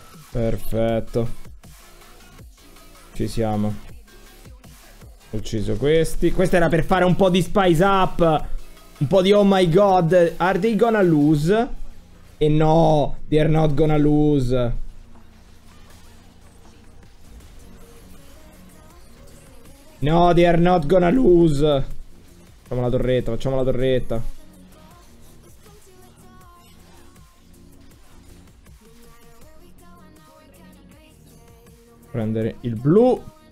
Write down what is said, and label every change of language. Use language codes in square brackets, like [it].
[it] Perfetto. Ci siamo. Ho ucciso questi. Questo era per fare un po' di spice up. Un po' di [en] oh my god, are they gonna lose? [it] E [en] no, they are not gonna lose. No, they are not gonna lose. [it] Facciamo la torretta, facciamo la torretta. Prendere il blu.